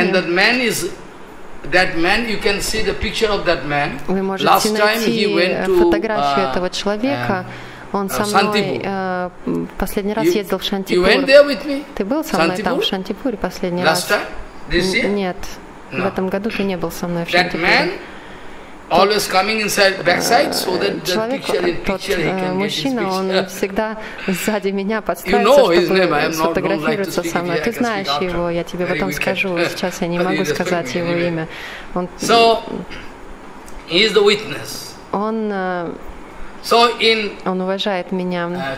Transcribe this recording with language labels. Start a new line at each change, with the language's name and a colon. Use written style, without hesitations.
English: And that man, you can see the picture of that man.
Russian: Вы можете найти фотографию этого человека. Он со мной последний раз ездил в Шантипур.
English: You went there with me?
Russian: Ты был со мной там в Шантипуре последний раз?
English: Last time? This year?
Russian: Нет. В этом году ты не был со мной в Шантипуре.
English: Always coming inside backside so that the picture in picture he can get his
Russian: мужчина,
English: picture.
Russian: Он всегда сзади меня подставится,
English: you know,
Russian: чтобы сфотографироваться со мной. Ты знаешь его, я тебе потом скажу. Сейчас я не могу сказать его имя. Он...
English: So, he is the witness.
Russian: Он...
English: So in
Russian: он уважает меня.